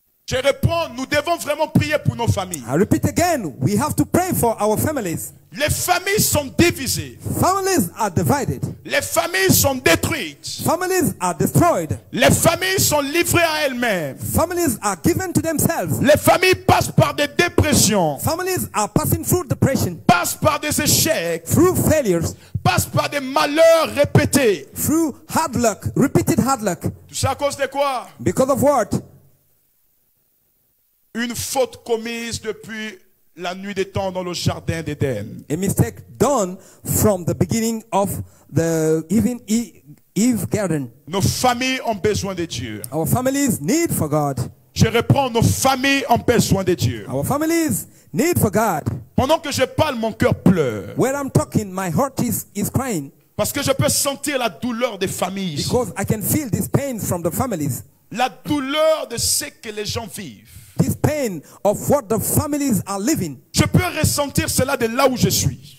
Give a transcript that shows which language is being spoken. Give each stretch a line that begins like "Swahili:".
French: Je réponds, nous devons vraiment prier pour nos familles.
English: I repeat again, we have to pray for our families.
French: Les familles sont divisées.
English: Families are divided.
French: Les familles sont détruites.
English: Families are destroyed.
French: Les familles sont livrées à elles-mêmes.
English: Families are given to themselves.
French: Les familles passent par des dépressions.
English: Families are passing through depression.
French: Passent par des échecs.
English: Through failures.
French: Passent par des malheurs répétés.
English: Through hard luck, repeated hard luck.
French: Tout ça à cause de quoi?
English: Because of what?
French: Une faute commise depuis la nuit des temps dans le jardin d'Éden.
English: A mistake done from the beginning of the even Eve garden.
French: Nos familles ont besoin de Dieu.
English: Our families need for God.
French: Je reprends, nos familles ont besoin de Dieu.
English: Our families need for God.
French: Pendant que je parle, mon cœur pleure.
English: When I'm talking, my heart is crying.
French: Parce que je peux sentir la douleur des familles.
English: Because I can feel this pain from the families.
French: La douleur de ce que les gens vivent.
English: This pain of what the families are living.
French: Je peux ressentir cela de là où je suis.